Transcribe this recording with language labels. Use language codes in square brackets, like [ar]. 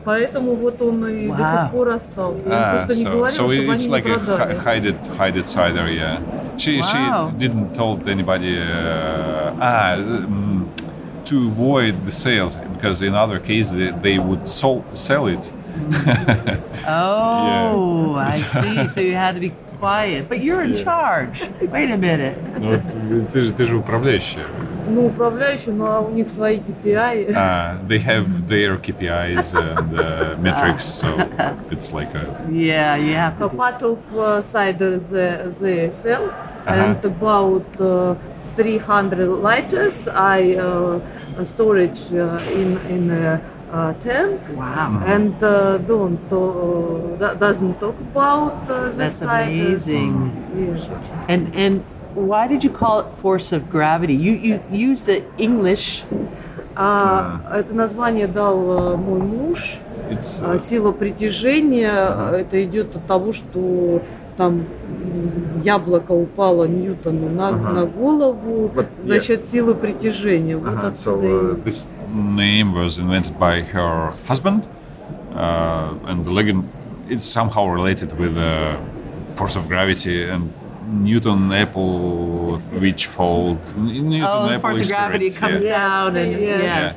[ru] Поэтому вот он и до сих пор остался. Он просто не говорил, чтобы они не продали. [en] So it's like a hided cider, yeah. She didn't told anybody to avoid the sales, because in other cases they would sell it. Oh, yeah. I see. So you had to be quiet. But you're in charge. Wait a minute. [ru] Ты же управляющий. Ну, управляющий, но у них свои KPI. [en] They have their KPIs and metrics, so it's like a... Yeah, you have to... So part of cider is they sell, and about 300 liters I storage in a tank. Wow. And doesn't talk about the That's cider. That's amazing. Yes. And why did you call it force of gravity? You used the English. [ru] Это название дал мой муж. [en] It's [ru] сила притяжения. Это идет от того, что там яблоко упало Ньютону на голову за счет силы притяжения. [en] This name was invented by her husband, and the legend it's somehow related with the force of gravity and Newton apple which fold Newton oh, apple the force of gravity comes down and